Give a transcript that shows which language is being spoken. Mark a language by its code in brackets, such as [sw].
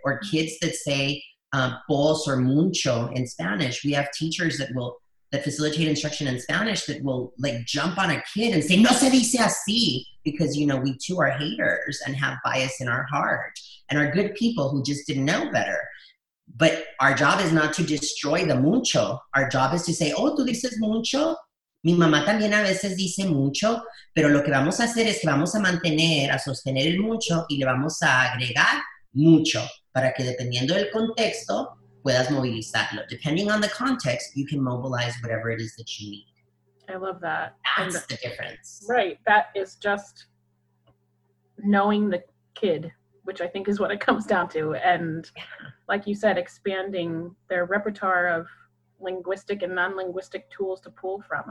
[en] Or kids that say bols or mucho in Spanish, we have teachers that facilitate instruction in Spanish that will like jump on a kid and say, [es] no se dice así, [en] because, you know, we too are haters and have bias in our heart and are good people who just didn't know better. But our job is not to destroy the mucho. Our job is to say, oh, [es] tú dices mucho. Mi mamá también a veces dice mucho, pero lo que vamos a hacer es que vamos a mantener, a sostener el mucho y le vamos a agregar mucho para que dependiendo del contexto, puedas movilizarlo. [en] Depending on the context, you can mobilize whatever it is that you need. I love that. That's the difference. Right. That is just knowing the kid, which I think is what it comes down to. And like you said, expanding their repertoire of linguistic and non-linguistic tools to pull from.